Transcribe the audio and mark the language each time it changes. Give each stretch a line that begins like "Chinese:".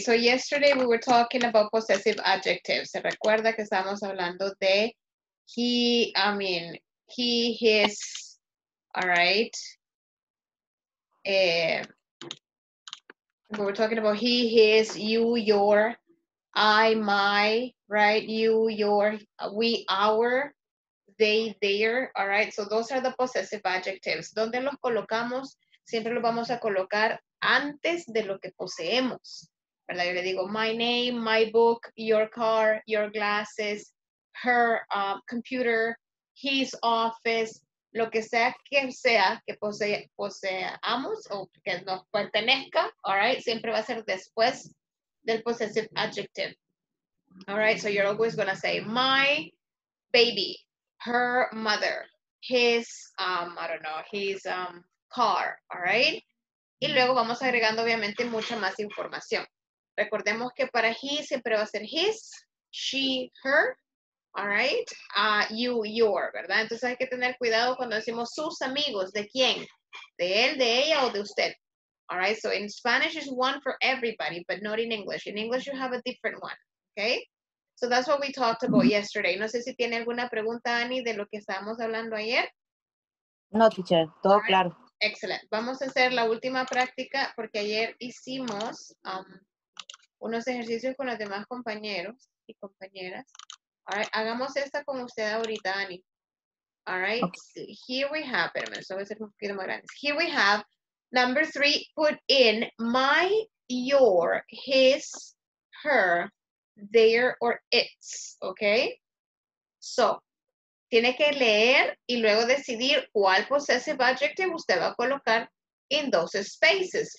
English: So yesterday we were talking about possessive adjectives.
Spanish: ¿Se recuerda que estábamos hablando de
English: he, his,
Spanish: all right?
English: We were talking about he, his, you, your, I, my, right? You, your, we, our, they, their, all right? So those are the possessive adjectives.
Spanish: ¿Dónde los colocamos? Siempre los vamos a colocar antes de lo que poseemos, ¿verdad? Yo le digo
English: my name, my book, your car, your glasses, her computer, his office,
Spanish: lo que sea que poseamos o que nos pertenezca,
English: all right?
Spanish: Siempre va a ser después del possessive adjective.
English: All right, so you're always going to say my baby, her mother, his, I don't know, his car, all right?
Spanish: Y luego vamos agregando, obviamente, mucha más información. Recordemos que para he siempre va a ser his, she, her, all right, you, your, ¿verdad? Entonces hay que tener cuidado cuando decimos sus amigos, ¿de quién? ¿De él, de ella o de usted?
English: All right, so in Spanish is one for everybody, but not in English. In English you have a different one, okay? So that's what we talked about yesterday.
Spanish: No sé si tiene alguna pregunta, Annie, de lo que estábamos hablando ayer. No, teacher, todo right. Claro. Excelente. Vamos a hacer la última práctica porque ayer hicimos unos ejercicios con los demás compañeros y compañeras. All right. Hagamos esta con usted ahorita, Ani.
English: All right. Okay. Here we have,
Spanish: espérame, eso va a ser un poquito más grande.
English: Here we have number three, put in my, your, his, her, their, or its. Okay. So.
Spanish: Tiene que leer y luego decidir cuál possessive adjective usted va a colocar
English: in those spaces.